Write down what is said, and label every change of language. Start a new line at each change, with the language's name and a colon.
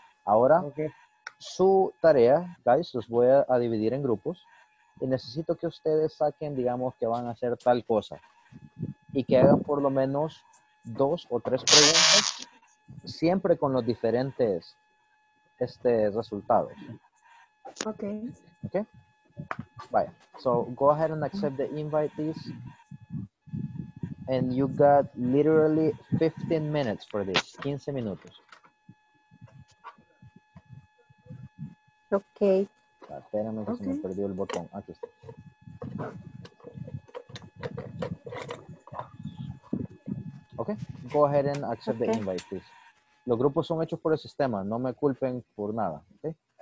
Spanish: Ahora, su tarea, guys, los voy a dividir en grupos. Y necesito que ustedes saquen, digamos, que van a hacer tal cosa. Y que hagan por lo menos 2 o 3 preguntas, siempre con los diferentes resultados. Ok. Vaya.
English: So, go ahead and accept the invite, please. And you got literally 15 minutes for this.
Spanish: 15 minutos. Ok. Espérame que se me perdió el botón. Aquí está.
English: Okay, go ahead and accept the invite, please.
Spanish: Los grupos son hechos por el sistema, no me culpen por nada, ¿okay?